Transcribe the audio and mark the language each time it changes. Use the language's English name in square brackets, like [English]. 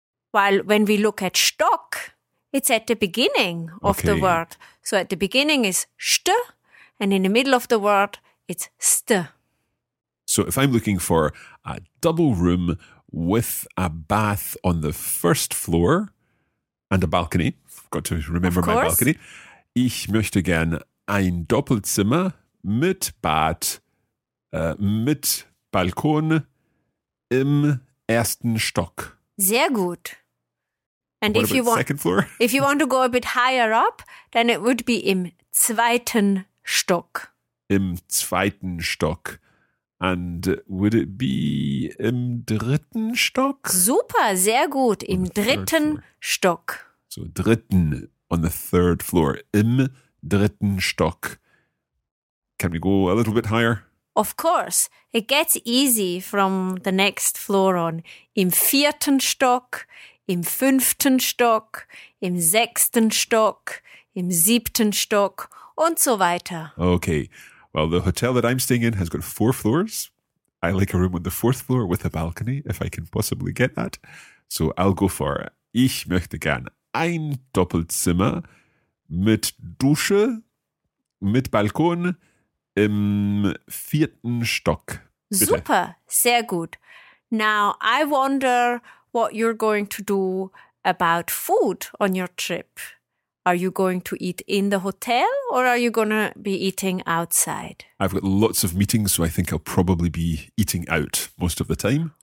[English] While when we look at Stock, it's at the beginning of the word. So at the beginning is st. And in the middle of the word, it's st. So if I'm looking for a double room with a bath on the first floor and a balcony, I've got to remember my balcony. [German] Ich möchte gern ein Doppelzimmer mit Bad, mit Balkon im ersten Stock. Sehr gut. [English] And what if you want second floor? If you want to go a bit higher up, then it would be [German] im zweiten Stock. Im zweiten Stock. [English] And would it be [German] im dritten Stock? Super, sehr gut. Im dritten Stock. [English] So dritten on the third floor. [German] Im dritten Stock. [English] Can we go a little bit higher? Of course. It gets easy from the next floor on. [German] Im vierten Stock. Im fünften Stock. Im sechsten Stock. Im siebten Stock. Und so weiter. [English] Okay. Well, the hotel that I'm staying in has got four floors. I like a room on the fourth floor with a balcony, if I can possibly get that. So I'll go for [German] ich möchte gern ein Doppelzimmer mit Dusche, mit Balkon im vierten Stock. Bitte. Super. Sehr gut. [English] Now, I wonder what you're going to do about food on your trip. Are you going to eat in the hotel or are you going to be eating outside? I've got lots of meetings, so I think I'll probably be eating out most of the time.